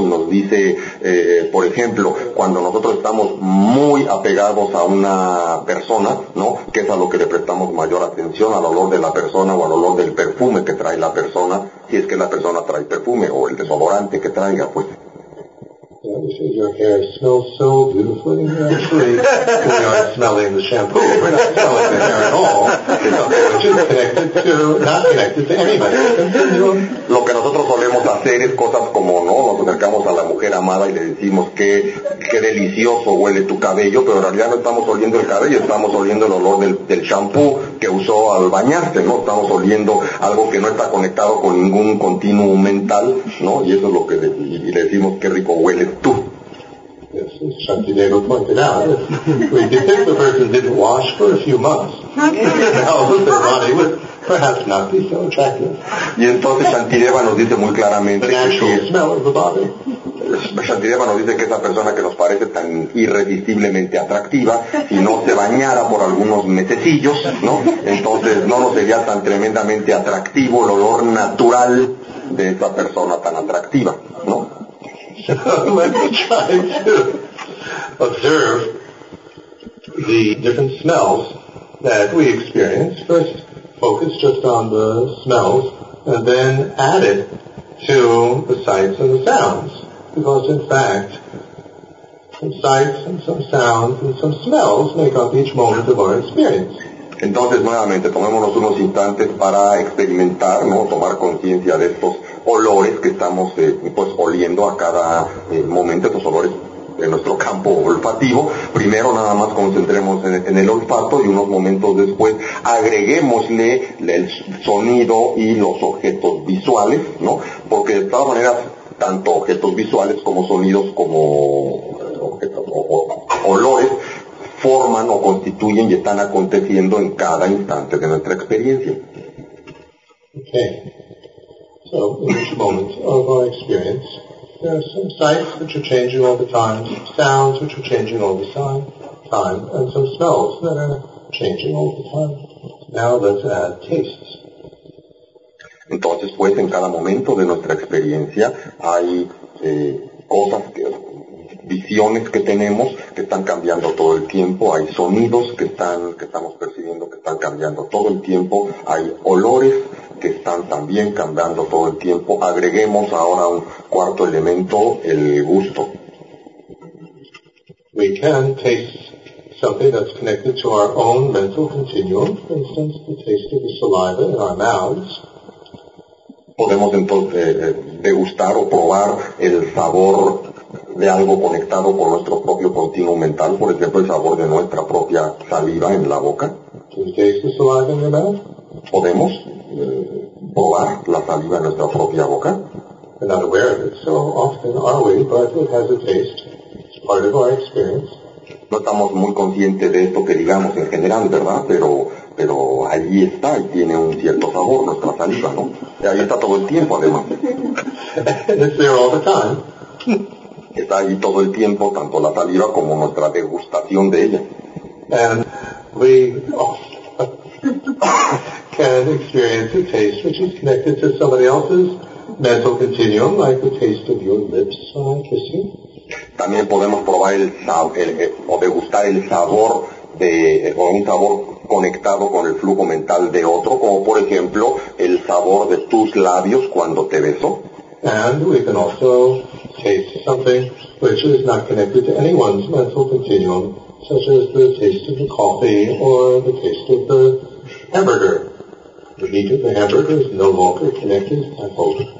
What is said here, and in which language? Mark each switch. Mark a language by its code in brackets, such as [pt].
[es] Y nos dice, por ejemplo, cuando nosotros estamos muy apegados a una persona, ¿no?, que es a lo que le prestamos mayor atención, al olor de la persona o al olor del perfume que trae la persona, si es que la persona trae perfume o el desodorante que traiga, pues. [en] Your hair smells so beautifully, actually, we aren't smelling the shampoo, we're not smelling the hair at all, which is not connected to anybody. [es] Lo que nosotros solemos hacer es cosas como, ¿no?, nos acercamos a la mujer amada y le decimos qué delicioso huele tu cabello, pero en realidad no estamos oliendo el cabello, estamos oliendo el olor del champú que usó al bañarse, ¿no? Estamos oliendo algo que no está conectado con ningún continuo mental, ¿no? Y eso es lo que le decimos, qué rico huele tú. [en] Yes, as Shantideva pointed out, we depict the person didn't wash for a few months. Now their body would perhaps not be so attractive. [es] Y entonces Shantideva nos dice muy claramente [en] the natural smell of the body. [es] Shantideva nos dice que esa persona que nos parece tan irresistiblemente atractiva, si no se bañara por algunos mesecillos, ¿no?, entonces no nos sería tan tremendamente atractivo el olor natural de esa persona tan atractiva, ¿no? [en] So let me try to observe the different smells that we experience. First, focus just on the smells, and then add it to the sights and the sounds. Because in fact, some sights and some sounds and some smells make up each moment of our experience. [es] Entonces, nuevamente, tomémonos unos instantes para experimentar, ¿no?, tomar conciencia de estos olores que estamos pues oliendo a cada momento, estos olores en nuestro campo olfativo. Primero, nada más concentremos en el olfato y unos momentos después agreguémosle el sonido y los objetos visuales, ¿no? Porque de todas maneras, tanto objetos visuales como sonidos como olores forman o constituyen y están aconteciendo en cada instante de nuestra experiencia. [en] Okay. So, in each moment of our experience, there are some sights which are changing all the time, some sounds which are changing all the time, and some smells that are changing all the time. Now let's add tastes. [es] Entonces, pues, en cada momento de nuestra experiencia hay cosas que... visiones que tenemos que están cambiando todo el tiempo, hay sonidos que estamos percibiendo que están cambiando todo el tiempo, hay olores que están también cambiando todo el tiempo. Agreguemos ahora un cuarto elemento, el gusto. [en] We can taste something that's connected to our own mental continuum, for instance, the taste of the saliva in our mouths. [es] Podemos entonces degustar o probar el sabor de algo conectado con nuestro propio continuo mental, por ejemplo, el sabor de nuestra propia saliva en la boca. [en] Can you taste the saliva in your mouth? [es] Podemos probar la saliva en nuestra propia boca. [en] We're not aware of it so often, are we? But it has a taste. It's part of our experience. [es] No estamos muy conscientes de esto que digamos en general, ¿verdad? Pero ahí está y tiene un cierto sabor nuestra saliva, ¿no? Y ahí está todo el tiempo, además. [en] It's there all the time. [es] Está ahí todo el tiempo, tanto la saliva como nuestra degustación de ella. [en] And we can experience a taste which is connected to somebody else's mental continuum, like the taste of your lips when I'm kissing. [es] También podemos probar el o degustar el sabor o un sabor conectado con el flujo mental de otro, como por ejemplo el sabor de tus labios cuando te beso. [en] And we can also taste something which is not connected to anyone's mental continuum, such as the taste of the coffee or the taste of the hamburger. The meat of the hamburger is no longer connected, I hope.